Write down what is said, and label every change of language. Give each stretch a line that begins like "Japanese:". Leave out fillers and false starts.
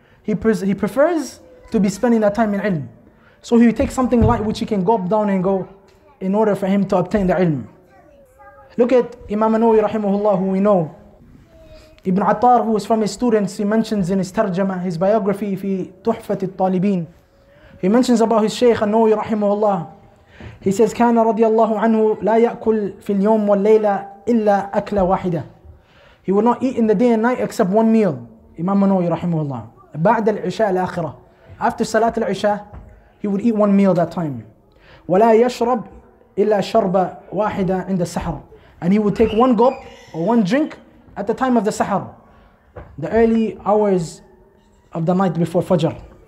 English: He prefers to be spending that time in ilm. So he takes something light which he can gulp down and go, in order for him to obtain the ilm. Look at Imam An-Nawawi rahimahullah, who we know. Ibn Attar, who is from his students, he mentions in his tarjama, his biography, fi Tuhfat al-Talibin. He mentions about his Shaykh An-Nawawi rahimahullah.
Arabic: He says, كَانَ رَضِيَ اللَّهُ عَنْهُ لَا يَأْكُلْ فِي الْيَوْمِ وَالْلَيْلَ إِلَّا أَكْلَ وَاحِدَةً.
English: He would not eat in the day and night except one meal. Imam An-Nawawi rahimahullah.
Arabic: بعد العشاء الآخرة.
English: After Salat al-Isha, He would eat one meal that time.
Arabic: وَلَا يَشْرَبْ إِلَّا شَرْبَ وَاحِدَ عِنْدَ السَّحَرُ.
English: And he would take one gulp or one drink at the time of the sahar, the early hours of the night before Fajr.